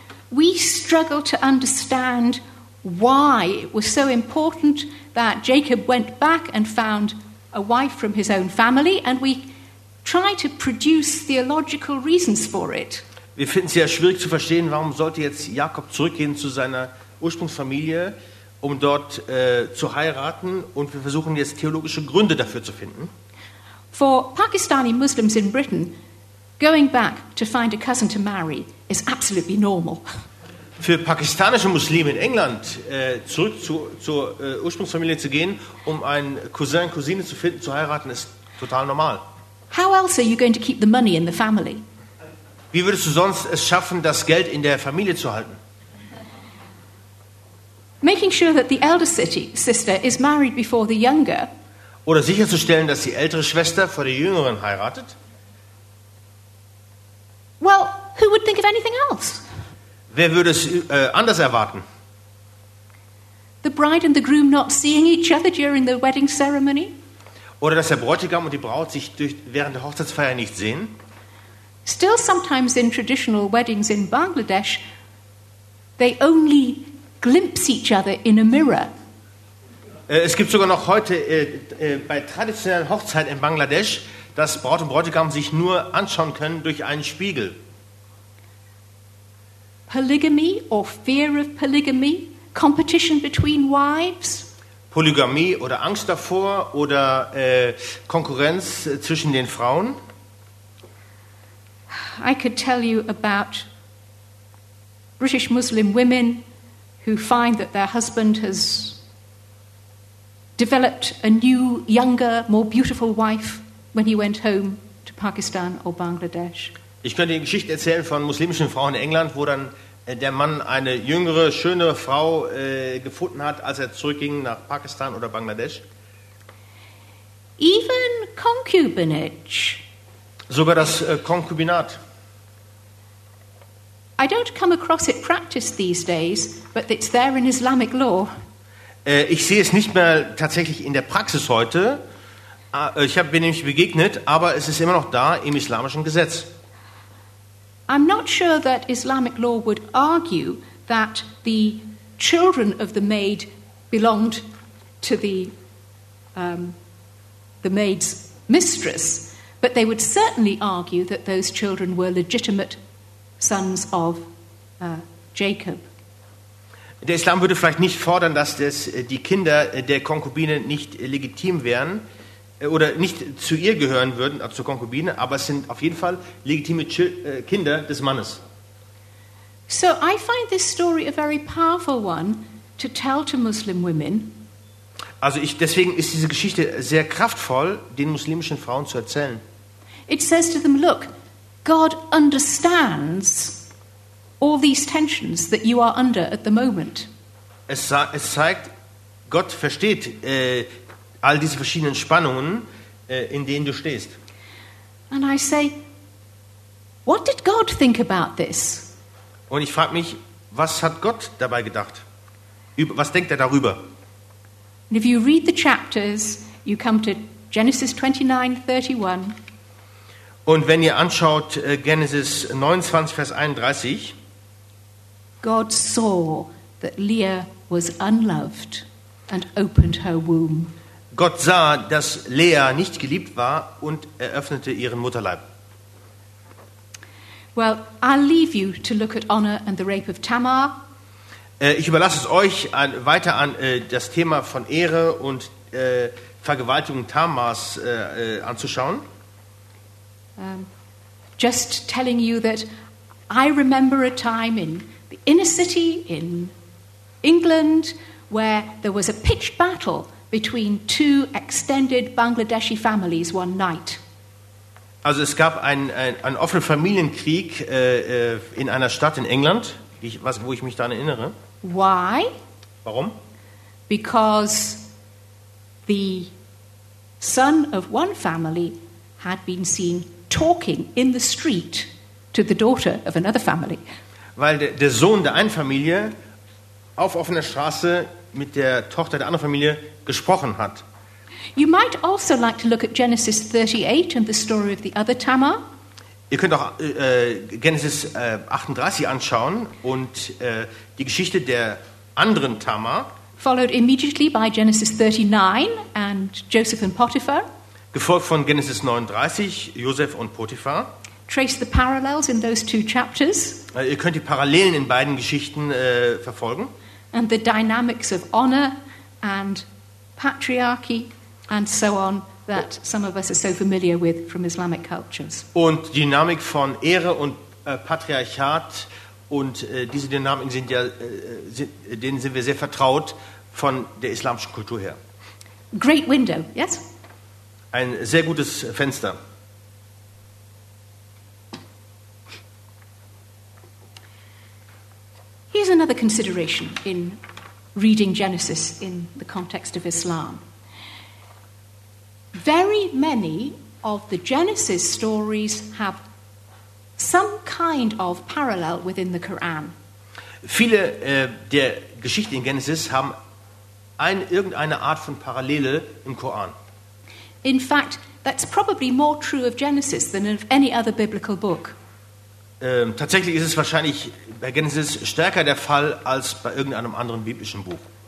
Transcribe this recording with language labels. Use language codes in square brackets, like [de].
[en] We struggle to understand why it was so important that Jacob went back and found a wife from his own family, and we try to produce theological reasons for it. [de] Wir finden es sehr schwierig zu verstehen, warum sollte jetzt Jakob zurückgehen zu seiner Ursprungsfamilie, um dort zu heiraten, und wir versuchen jetzt theologische Gründe dafür zu finden. [en] For Pakistani Muslims in Britain, going back to find a cousin to marry is absolutely normal. [de] Für pakistanische Muslime in England zurück zur Ursprungsfamilie zu gehen, um einen Cousin, Cousine zu finden, zu heiraten, ist total normal. [en] How else are you going to keep the money in the family? [de] Wie würdest du sonst es schaffen, das Geld in der Familie zu halten? [en] Making sure that the elder sister is married before the younger. [de] Oder sicherzustellen, dass die ältere Schwester vor der jüngeren heiratet? [en] Well, who would think of anything else? [de] Wer würde es anders erwarten? [en] The bride and the groom not seeing each other during the wedding ceremony? [de] Oder dass der Bräutigam und die Braut sich während der Hochzeitsfeier nicht sehen? [en] Still sometimes in traditional weddings in Bangladesh, they only glimpse each other in a mirror. [de] Es gibt sogar noch heute bei traditionellen Hochzeiten in Bangladesch, dass Braut und Bräutigam sich nur anschauen können durch einen Spiegel. [en] Polygamy or fear of polygamy, competition between wives. [de] Polygamie oder Angst davor oder Konkurrenz zwischen den Frauen. [en] I could tell you about British Muslim women who find that their husband has developed a new, younger, more beautiful wife when he went home to Pakistan or Bangladesh. [de] Ich könnte die Geschichte erzählen von muslimischen Frauen in England, wo dann der Mann eine jüngere, schönere Frau gefunden hat, als er zurückging nach Pakistan oder Bangladesch. [en] Even concubinage. [de] Sogar das Konkubinat. [en] I don't come across it practiced these days, but it's there in Islamic law. [de] Ich sehe es nicht mehr tatsächlich in der Praxis heute. Ich habe mir nämlich begegnet, aber es ist immer noch da im islamischen Gesetz. [en] I'm not sure that Islamic law would argue that the children of the maid belonged to the maid's mistress, but they would certainly argue that those children were legitimate sons of Jacob. [de] Der Islam würde vielleicht nicht fordern, dass das die Kinder der Konkubine nicht legitim wären oder nicht zu ihr gehören würden, also zur Konkubine, aber es sind auf jeden Fall legitime Kinder des Mannes. [en] So I find this story a very powerful one to tell to Muslim women. [de] Also deswegen ist diese Geschichte sehr kraftvoll, den muslimischen Frauen zu erzählen. [en] It says to them, look, God understands all these tensions that you are under at the moment. [de] Es zeigt, Gott versteht all diese verschiedenen Spannungen, in denen du stehst. [en] And I say, what did God think about this? [de] Und ich frage mich, was hat Gott dabei gedacht? Was denkt er darüber? [en] And if you read the chapters, you come to Genesis 29, 31. [de] Und wenn ihr anschaut, Genesis 29, Vers 31. [en] God saw that Leah was unloved and opened her womb. [de] Gott sah, dass Lea nicht geliebt war und eröffnete ihren Mutterleib. [en] Well, I'll leave you to look at honor and the rape of Tamar. [de] Ich überlasse es euch weiter an das Thema von Ehre und Vergewaltigung Tamars anzuschauen. [en] Just telling you that I remember a time in the inner city in England where there was a pitched battle between two extended Bangladeshi families one night. [de] Also es gab einen offenen Familienkrieg in einer Stadt in England, wo ich mich daran erinnere. [en] Why? [de] Warum? [en] Because the son of one family had been seen talking in the street to the daughter of another family. [de] Weil der Sohn der einen Familie auf offener Straße mit der Tochter der anderen Familie gesprochen hat. [en] You might also like to look at Genesis 38 and the story of the other Tamar. [de] Ihr könnt auch Genesis 38 anschauen und die Geschichte der anderen Tamar. [en] Followed immediately by Genesis 39 and Joseph and Potiphar. [de] Gefolgt von Genesis 39, Joseph und Potiphar. [en] Trace the parallels in those two chapters. [de] Ihr könnt die Parallelen in beiden Geschichten verfolgen. [en] And the dynamics of honor and patriarchy and so on that some of us are so familiar with from Islamic cultures. [de] Und die Dynamik von Ehre und Patriarchat und diese Dynamiken sind ja denen sind wir sehr vertraut von der islamischen Kultur her. [en] Great window, yes? [de] Ein sehr gutes Fenster. [en] Here's another consideration in reading Genesis in the context of Islam. Very many of the Genesis stories have some kind of parallel within the Quran. [de] Viele der Geschichten in Genesis haben irgendeine Art von Parallele im Koran. [en] In fact, that's probably more true of Genesis than of any other biblical book. [de] Tatsächlich ist es wahrscheinlich bei Genesis stärker der Fall als bei irgendeinem anderen biblischen Buch.